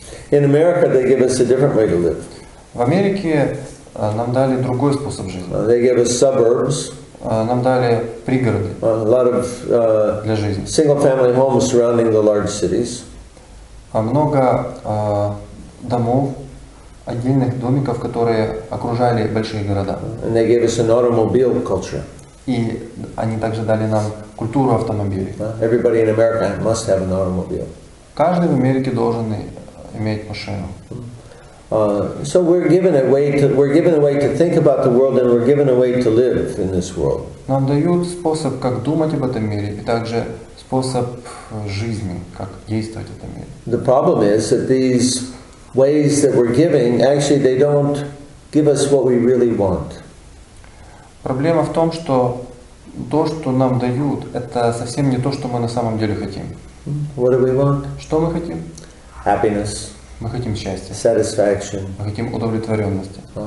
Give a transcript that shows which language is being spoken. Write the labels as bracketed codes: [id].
[en] In America, they give us a different way to live. [ru] В Америке нам дали другой способ жизни. [en] They give us suburbs. [ru] Нам дали пригороды. [en] A lot of [ru] для жизни. [en] Single-family homes surrounding the large cities. [ru] Много домов, отдельных домиков, которые окружали большие города. [en] And they gave us an automobile culture. [ru] И они также дали нам культуру автомобилей. [en] Everybody in America must have an automobile. [ru] Каждый в Америке должен иметь машину. [en] So we're given a way to think about the world and we're given a way to live in this world. [ru] Нам дают способ, как думать об этом мире, и также способ жизни, как действовать в этом мире. [en] The problem is that these ways that we're giving, actually they don't give us what we really want. [ru] Проблема в том, что то, что нам дают, это совсем не то, что мы на самом деле хотим. [en] What do we want? [ru] Что мы хотим? [en] Happiness. [ru] Мы хотим счастья. [en] Satisfaction. [ru] Мы хотим удовлетворенности.